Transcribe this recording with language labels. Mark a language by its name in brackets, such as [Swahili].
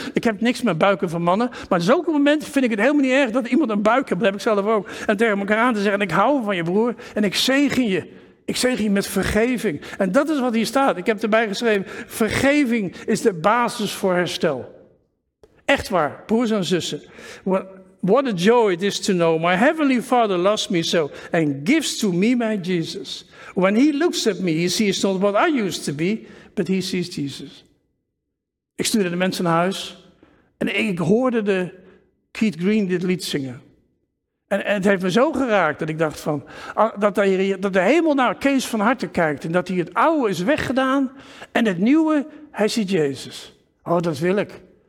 [Dutch] Ik heb niks met buiken van mannen. Maar zo'n moment vind ik het helemaal niet erg dat iemand een buik heeft. Dat heb ik zelf ook. En tegen elkaar aan te zeggen, ik hou van je broer en ik zegen je. Ik zeg hier met vergeving. En dat is wat hier staat. Ik heb erbij geschreven, vergeving is de basis voor herstel. Echt waar, broers en zussen. [English] What a joy it is to know my heavenly Father loves me so and gives to me my Jesus. When he looks at me, he sees not what I used to be, but he sees Jesus. [Dutch] Ik stuurde de mensen naar huis en ik hoorde de Keith Green dit lied zingen. En het heeft me zo geraakt dat ik dacht van, dat de hemel naar Kees van harte kijkt. En dat hij het oude is weggedaan en het nieuwe, hij ziet Jezus. Oh, dat wil ik.